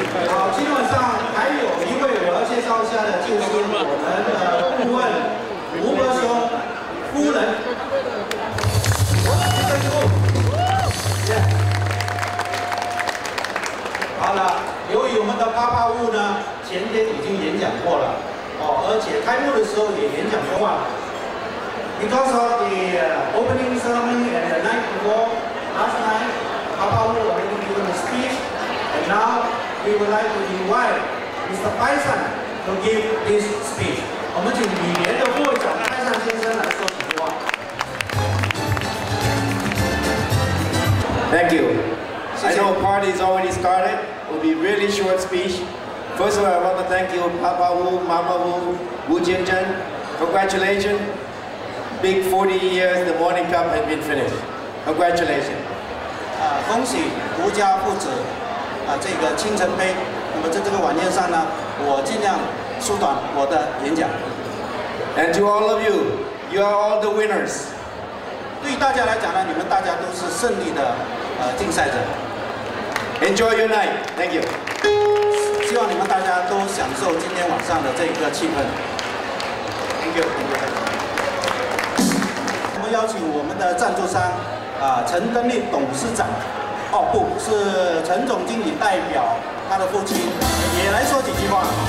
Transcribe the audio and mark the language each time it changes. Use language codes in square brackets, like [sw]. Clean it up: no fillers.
[zh] 好，今天晚上还有一位我要介绍一下的，就是我们的顾问吴伯雄夫人。掌声鼓舞。好了，由于我们的啪啪物呢，前天已经演讲过了。而且开幕的时候也演讲过了。 [en] Because of the opening ceremony and the night before, last night, Papa Wu already given a speech, and now we would like to invite Mr. 派山 to give this speech. [zh] 我们请羽联的副会长派山先生来说几句话。 [en] Thank you. [zh] 谢谢。 [en] I know party is already started. Will be really short speech. First of all, I want to thank you, Papa Wu, Mama Wu, Wu Jing Chen. Congratulations. Big 40 years, the Morning Cup has been finished. Congratulations. [zh] 恭喜吴家父子这个清晨杯。那么在这个晚宴上呢，我尽量缩短我的演讲。 [en] And to all of you, you are all the winners. [zh] 对大家来讲呢，你们大家都是胜利的竞赛者。 [en] Enjoy your night. Thank you. [zh] 希望你们大家都享受今天晚上的这个气氛。 [en] Thank you, thank you. [zh] 我们邀请我们的赞助商，陈根利董事长，是陈总经理代表他的父亲，也来说几句话。